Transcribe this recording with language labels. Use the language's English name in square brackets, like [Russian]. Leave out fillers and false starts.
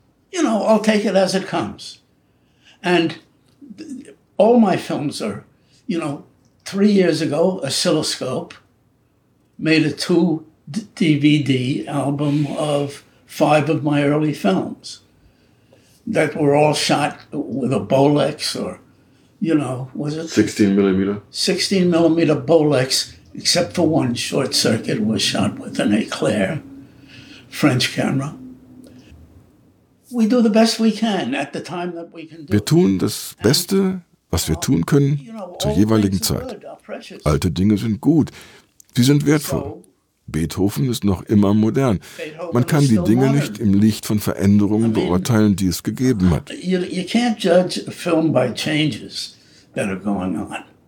[English] You know, I'll take it as it comes. And all my films are, you know, 3 years ago, Oscilloscope made a two DVD album of five of my early films that were all shot with a Bolex or, you know, was it? 16mm. 16mm Bolex. Except for one, Short Circuit was shot with an Eclair French camera. We do the best we can at the time that we can do. [German] Wir tun das Beste, was wir tun können, zur jeweiligen Zeit. Alte Dinge sind gut. Sie sind wertvoll. Beethoven ist noch immer modern. Man kann die Dinge nicht im Licht von Veränderungen beurteilen, die es gegeben hat. [English] You can't judge a film by changes that are going on.